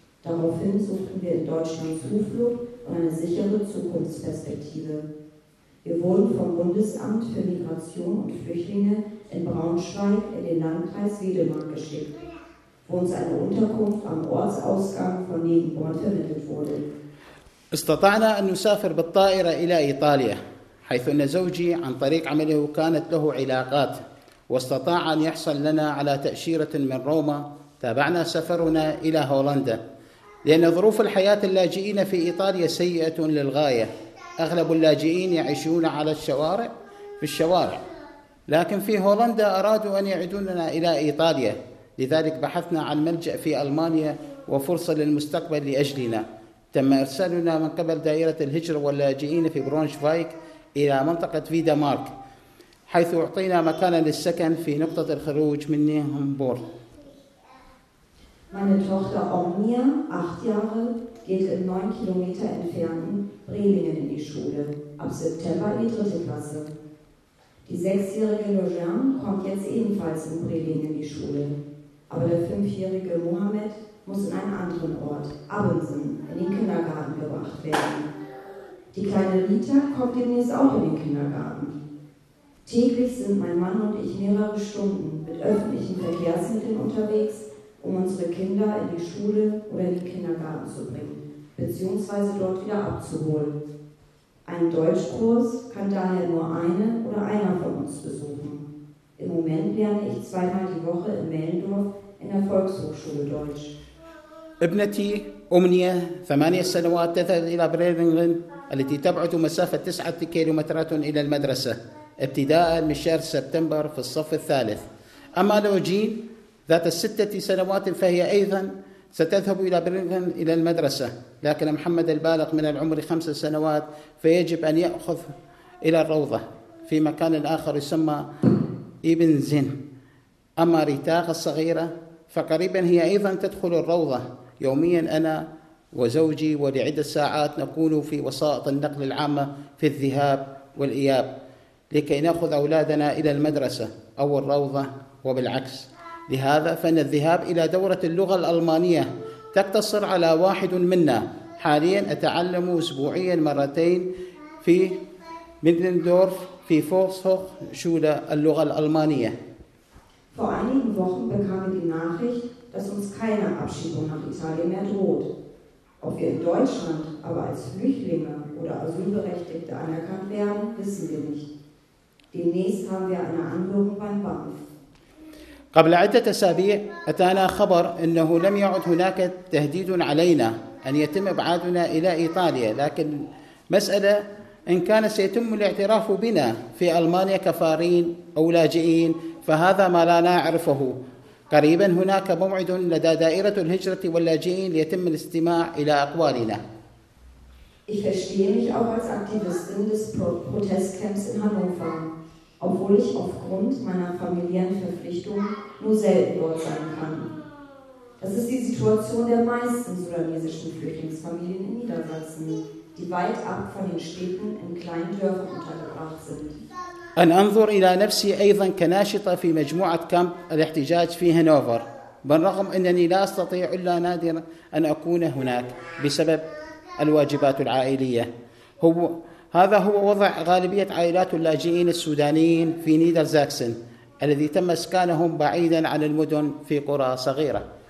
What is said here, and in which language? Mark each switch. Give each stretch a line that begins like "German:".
German: Daraufhin suchten wir in Deutschland Zuflucht und eine sichere Zukunftsperspektive. Wir wurden vom Bundesamt für Migration und Flüchtlinge in Braunschweig in den Landkreis Wedemark geschickt, wo uns eine Unterkunft am Ortsausgang von Nebenborn vermittelt wurde.
Arabic: استطعنا أن نسافر بالطائرة إلى إيطاليا، حيث أن زوجي عن طريق عمله كانت له علاقات، واستطاع أن يحصل لنا على تأشيرة من روما. تابعنا سفرنا إلى هولندا، لأن ظروف الحياة اللاجئين في إيطاليا سيئة للغاية. أغلب اللاجئين يعيشون على الشوارع في الشوارع، لكن في هولندا أرادوا أن يعيدوننا إلى إيطاليا. لذلك بحثنا عن ملجأ في ألمانيا وفرصة للمستقبل لأجلنا. تم إرسالنا من قبل دائرة الهجرة واللاجئين في برونشفايك إلى منطقة فيدمارك، حيث أعطينا مكانا للسكن في نقطة الخروج من نيهمبور.
German: Meine Tochter Omnia, 8 Jahre, geht in 9 Kilometer entfernten Brelingen in die Schule, ab September in die 3. Klasse. Die 6-jährige Lojan kommt jetzt ebenfalls in Brelingen in die Schule. Aber der 5-jährige Mohammed muss in einen anderen Ort, Abensen, in den Kindergarten gebracht werden. Die kleine Rita kommt demnächst auch in den Kindergarten. Täglich sind mein Mann und ich mehrere Stunden mit öffentlichen Verkehrsmitteln unterwegs, um unsere Kinder in die Schule oder in den Kindergarten zu bringen, beziehungsweise dort wieder abzuholen. Ein Deutschkurs kann daher nur eine oder einer von uns besuchen. Im Moment lerne ich 2-mal die Woche in Mellendorf in der Volkshochschule Deutsch.
Arabic: ابنتي أمنية 8 سنوات تذهب إلى بريلينغن التي تبعد مسافة 9 كيلومترات إلى المدرسة ابتداء من شهر سبتمبر في الصف الثالث. أما لوجين ذات 6 سنوات فهي أيضا ستذهب إلى بريلينغن إلى المدرسة، لكن محمد البالغ من العمر 5 سنوات فيجب أن يأخذ إلى الروضة في مكان آخر يسمى ابن زين. أما ريتاغ الصغيرة فقريبا هي أيضا تدخل الروضة. يوميا أنا وزوجي ولعدة ساعات نكون في وسائط النقل العامة في الذهاب والإياب لكي نأخذ أولادنا إلى المدرسة أو الروضة وبالعكس. لهذا فإن الذهاب إلى دورة اللغة الألمانية تقتصر على واحد منا. حاليا أتعلم أسبوعيا مرتين في ميدلندورف في فورسهوخ شولة اللغة الألمانية.
German: Vor einigen Wochen bekamen wir die Nachricht, dass uns keine Abschiebung nach Italien mehr droht. Ob wir in Deutschland aber als Flüchtlinge oder Asylberechtigte anerkannt werden, wissen wir nicht. Demnächst haben wir eine Anhörung beim BAMF.
Arabic: قبل عدة أسابيع أتانا خبر أنه لم يعد هناك تهديد علينا أن يتم إبعادنا إلى إيطاليا، لكن مسألة إن كان سيتم الاعتراف بنا في ألمانيا كفارين أو لاجئين، فهذا ما لا نعرفه. قريبا هناك موعد لدى دائرة الهجرة واللاجئين ليتم الاستماع إلى أقوالنا.
German: Ich verstehe mich auch als Aktivistin des Protestcamps in Hannover, obwohl ich aufgrund meiner familiären Verpflichtung nur selten dort sein kann. Das ist die Situation der meisten sudanesischen Flüchtlingsfamilien in Niedersachsen, die weit ab von den Städten in kleinen Dörfern untergebracht sind.
Arabic: أن أنظر إلى نفسي أيضاً كناشطة في مجموعة كامب الاحتجاج في هانوفر، بالرغم أنني لا أستطيع إلا نادراً أن أكون هناك بسبب الواجبات العائلية. هذا هو وضع غالبية عائلات اللاجئين السودانيين في نيدرزاكسن الذي تم إسكانهم بعيداً عن المدن في قرى صغيرة.